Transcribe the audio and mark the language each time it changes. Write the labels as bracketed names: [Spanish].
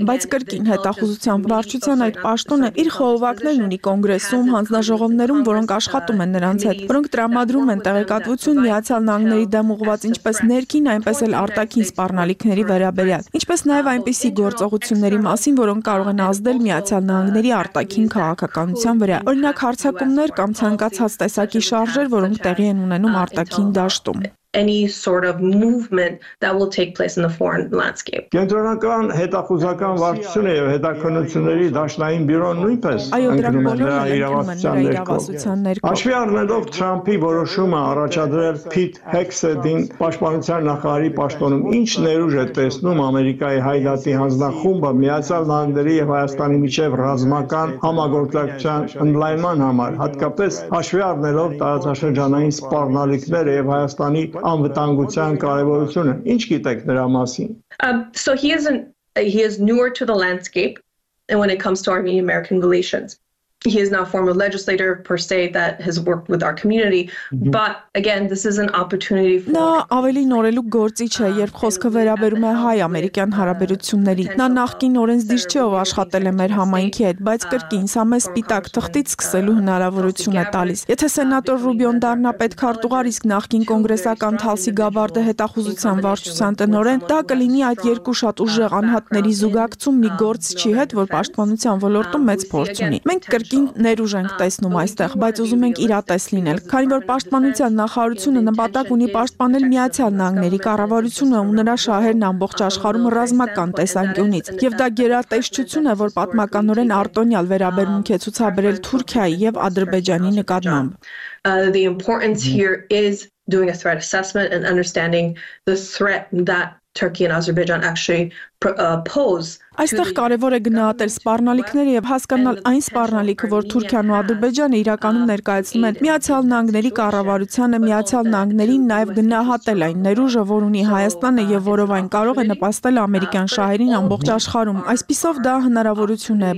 [Armenian] բայց կրկին հետախուզության վարչության այդ պաշտոնը իր խողովակներն ունի կոնգրեսում, հանձնաժողովներում, որոնք աշխատում են նրանց հետ, որոնք տրամադրում են տեղեկատվություն Միացյալ Նահանգների դեմ ուղղված ինչպես ներքին, այնպես էլ արտաքին սպառնալիքների վերաբերյալ, ինչպես նաև այնպիսի գործողությունների մասին, որոնք կարող են ազդել Միացյալ Նահանգների արտաքին քաղաքականության վրա, օրինակ հարձակումներ կամ ցանկացած տեսակի շարժեր, որոնք տեղի են ունենում արտաքին դաշտում։ [English] Any sort of movement that will take place in the foreign landscape. [Armenian] Կենտրոնական հետախուզական վարչությունը եւ հետաքննությունների դաշնային բյուրոն նույնպես ընդգրկում են նրա իրավասության ներքո։ Հաշվի առնելով Թրամփի որոշումը առաջադրել Փիթ Հեքսեդին պաշտպանության նախարարի պաշտոնում, ինչ ներուժ է տեսնում Ամերիկայի հայդատի հանձնախումբը Միացյալ Նահանգների եւ Հայաստանի միջև ռազմական համագործակցության ընդլայնման համար, հատկապես հաշվի առնելով տարածաշրջանային սպառնալիքները եւ Հայաստանի անվտանգության կարևորությունը, ինչ գիտեք նրա մասին։ [English] So he is newer to the landscape and when it comes to Armenian-American relations. He is not a former legislator per se that has worked with our community, but again, this is an opportunity for. [Armenian] Նա ավելի նորելուկ գործիչ է, երբ խոսքը վերաբերում է հայ-ամերիկյան հարաբերությունների։ Նա նախկին օրենսդիր չէ, ով աշխատել է մեր համայնքի հետ, բայց կրկին սա մեզ սպիտակ թղթից սկսելու հնարավորություն է տալիս։ Եթե սենատոր Ռուբիոն դառնա պետքարտուղար, իսկ նախկին կոնգրեսական Թալսի Գավարդը հետախուզության վարչության տնօրեն, դա կլինի այդ երկու շատ ուժեղ անհատների զուգակցում մի գործչի հետ, որ պաշտպանության ոլորտում մեծ փորձ ունի։ Մենք կրկին ներուժ ենք տեսնում այստեղ, բայց ուզում ենք իրատես լինել, քանի որ պաշտպանության նախարարությունը նպատակ ունի պաշտպանել Միացյալ Նահանգների կառավարությունը ու նրա շահերն ամբողջ աշխարհում ռազմական տեսանկյունից, եւ դա գերատեսչություն է, որ պատմականորեն արտոնյալ վերաբերմունք է ցուցաբերել Թուրքիայի եւ Ադրբեջանի նկատմամբ։ [English] The importance here is doing a threat assessment and understanding the threat that Turkey and Azerbaijan actually pose. [Armenian] Այստեղ կարևոր է գնահատել սպառնալիքները եւ հասկանալ այն սպառնալիքը, որ Թուրքիան ու Ադրբեջանը իրականում ներկայացնում են Միացյալ Նահանգների կառավարությանը, Միացյալ Նահանգներին, նաեւ գնահատել այն ներուժը, որ ունի Հայաստանը եւ որով այն կարող է նպաստել ամերիկյան շահերին ամբողջ աշխարհում։ Այսպիսով դա հնարավորություն է,